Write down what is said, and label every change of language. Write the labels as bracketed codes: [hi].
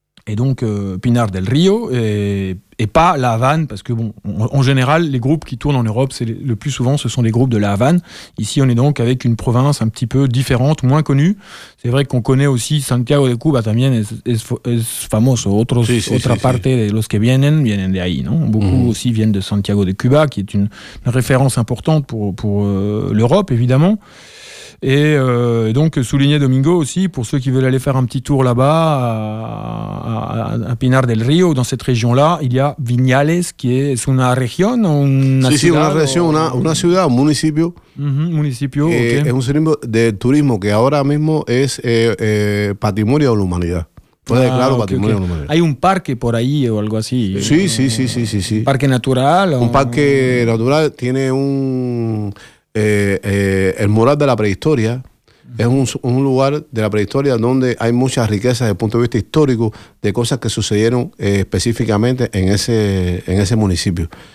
[fr] Et donc Pinar del Río, et pas La Havane, parce que bon, en général, les groupes qui tournent en Europe, c'est le plus souvent, ce sont des groupes de La Havane. Ici, on est donc avec une province un petit peu différente, moins connue. C'est vrai qu'on connaît aussi Santiago de Cuba, [es] también es famoso. Otra parte de los que vienen de ahí, non? [fr] Beaucoup aussi viennent de Santiago de Cuba, qui est une référence importante pour l'Europe, évidemment. Et donc, souligner Domingo aussi, pour ceux qui veulent aller faire un petit tour là-bas, à Pinar del Río, dans cette région-là, il y a Viñales, qui est [es] una región, una ciudad. Sí, una región, una ciudad, un municipio. Uh-huh, municipio, ok. Es un sinónimo de turismo que ahora mismo es patrimonio de la humanidad. Puede declarar patrimonio de la humanidad. Hay un parque por ahí o algo así. Sí. ¿Parque natural? Un parque natural tiene un... el mural de la prehistoria, es un lugar de la prehistoria donde hay muchas riquezas desde el punto de vista histórico de cosas que sucedieron específicamente en ese municipio.